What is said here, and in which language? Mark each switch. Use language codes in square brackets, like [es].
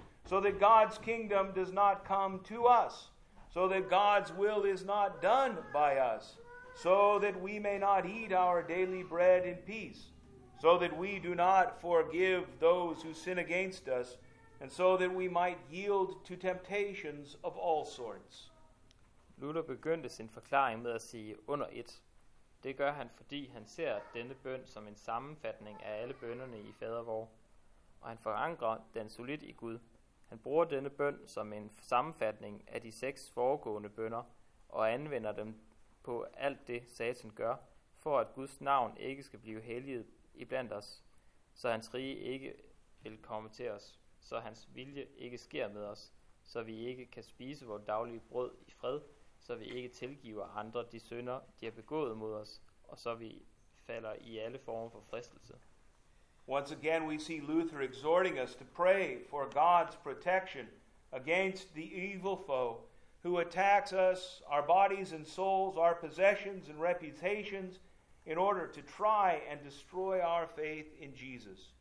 [en] so that God's kingdom does not come to us, so that God's will is not done by us, so that we may not eat our daily bread in peace, so that we do not forgive those who sin against us, and so that we might yield to temptations of all sorts. [da] Luther begyndte sin forklaring med at sige under et. Det gør han, fordi han ser denne bøn som en sammenfatning af alle bønderne i Fadervor, og han forankrer den solidt i Gud. Han bruger denne bøn som en sammenfatning af de seks foregående bønner, og anvender dem på alt det, Satan gør, for at Guds navn ikke skal blive helliget iblandt os, så hans rige ikke vil komme til os, så hans vilje ikke sker med os, så vi ikke kan spise vores daglige brød i fred, så vi ikke tilgiver andre de synder, de har begået mod os, og så vi falder i alle former for fristelse. [en] Once again we see Luther exhorting us to pray for God's protection against the evil foe who attacks us, our bodies and souls, our possessions and reputations, in order to try and destroy our faith in Jesus.